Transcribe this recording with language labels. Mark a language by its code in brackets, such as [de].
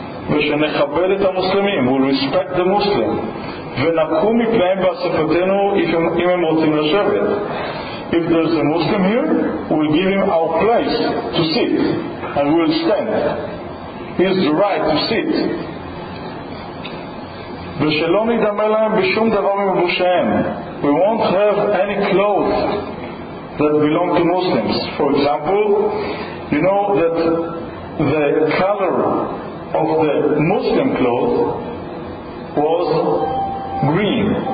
[he] ושנכבד את המוסלמים, [en] we'll respect the Muslim. [he] ונקום מפניהם באספתנו אם הם רוצים לשבת. [en] If there's a Muslim here, we'll give him our place to sit and we'll stand. He has the right to sit. [he] ושלא נדמה להם בשום דבר מבושיהם. [en] We won't have any clothes that belong to Muslims. For example, you know that the color of the Muslim clothes was green.